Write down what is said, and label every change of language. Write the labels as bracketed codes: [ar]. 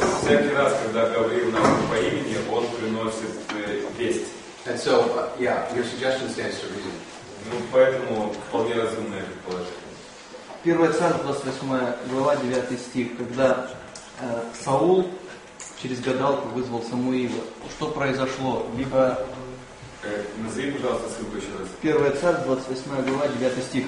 [ru] Всякий раз, когда Гавриил нас по имени, он приносит весть. [en] And so, yeah, your suggestion stands to reason. [ru] Ну, поэтому вполне разумное предположение. 1 Царств 28 глава 9 стих, когда Саул через гадалку вызвал Самуила. Что произошло? Либо назови, пожалуйста, ссылку еще раз. 1 Царств 28 глава 9 стих.